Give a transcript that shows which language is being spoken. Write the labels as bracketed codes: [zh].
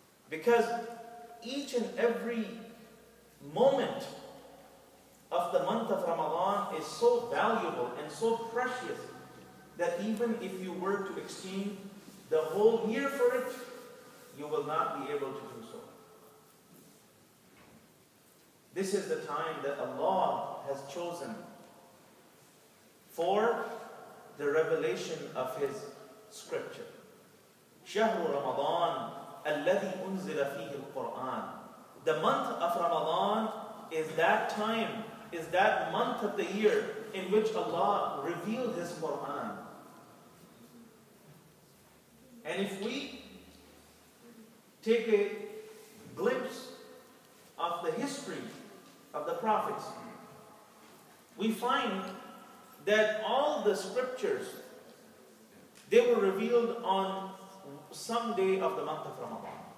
[en] Because each and every moment of the month of Ramadan is so valuable and so precious that even if you were to exchange the whole year for it, you will not be able to do so. This is the time that Allah has chosen for the revelation of His scripture. [ar] شهر رمضان الذي أنزل فيه القرآن. [en] The month of Ramadan is that time, is that month of the year in which Allah revealed His Quran. And if we take a glimpse of the history of the prophets, we find that all the scriptures, they were revealed on some day of the month of Ramadan.